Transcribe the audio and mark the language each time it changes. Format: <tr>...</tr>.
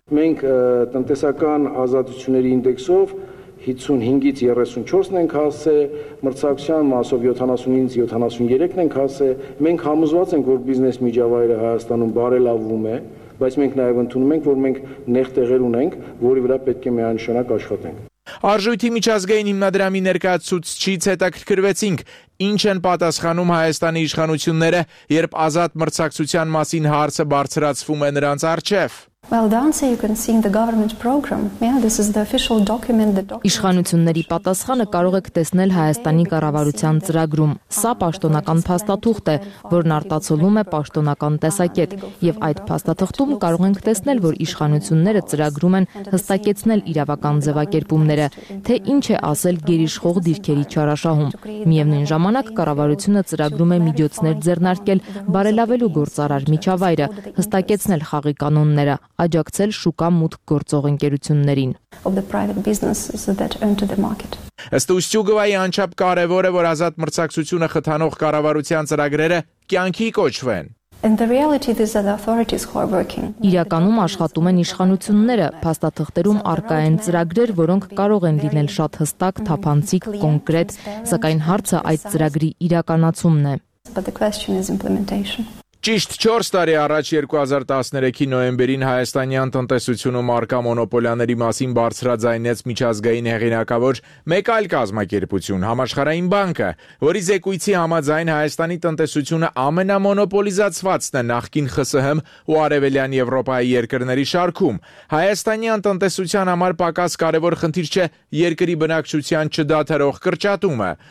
<hy>Մենք տնտեսական ազատությունների ինդեքսով 55-ից 34-ն ենք հասել, մրցակցության մասով 75-ից 73-ն ենք հասել։ Մենք համոզված ենք, որ բիզնես միջավայրը Հայաստանում բարելավվում է, բայց մենք նաև ընդունում ենք, որ մենք նեղ տեղեր ունենք, որի վրա պետք է միանշանակ աշխատենք։ Արժույթի միջազգային հիմնադրամի ներկայացուցչից հետաքրքրվեցինք, ինչ են պատասխանում Հայաստանի իշխանությունները, երբ ազատ մրցակցության մասին հարցը բարձրացվում է նրանց առջև։</hy> <en>Well, Dance, you can see the government program. Yeah, this is the official document.</en> <hy>Իշխանությունների պատասխանը կարող եք տեսնել Հայաստանի կառավարության ծրագրում։ Սա պաշտոնական փաստաթուղթ է, որն արտացոլում է պաշտոնական տեսակետ, եւ այդ փաստաթղթում կարող ենք տեսնել, որ իշխանությունները ծրագրում են հստակեցնել իրավական ձևակերպումները, թե ինչ է ասել գերիշխող դիրքերի չարաշահում։ Միևնույն ժամանակ կառավարությունը ծրագրում է միջոցներ ձեռնարկել բարելավելու գործարար միջավայրը, հստակեցնել խաղի կանոնները, աջակցել շուկա մուտք գործող ընկերություններին։ Ըստ Ուստյուգովայի անչափ կարևոր է, որ ազատ մրցակցությունը խթանող կառավարության ծրագրերը կյանքի կոչվեն։</hy> <en>In the reality, these are the authorities who are working.</en> <hy>Իրականում աշխատում են իշխանությունները, փաստաթղթերում առկա են ծրագրեր, որոնք կարող են լինել շատ հստակ, թափանցիկ, կոնկրետ, սակայն հարցը այդ ծրագրի իրականացումն է։</hy> <en>But the question is implementation.</en> <hy>Ճիշտ 4 տարի առաջ 2013-ի նոյեմբերին հայաստանյան տնտեսությունում առկա մոնոպոլիաների մասին բարձրաձայնեց միջազգային հեղինակավոր մեկ այլ կազմակերպություն՝ Համաշխարհային բանկը, որի զեկույցի համաձայն հայաստանի տնտեսությունը ամենամոնոպոլիզացվածն է նախկին ԽՍՀՄ ու արևելյան Եվրոպայի երկրների շարքում։ Հայաստանյան տնտեսության համար պակաս կարևոր խնդիր չէ երկրի բնակչության չդադարող կրճատումը։</hy>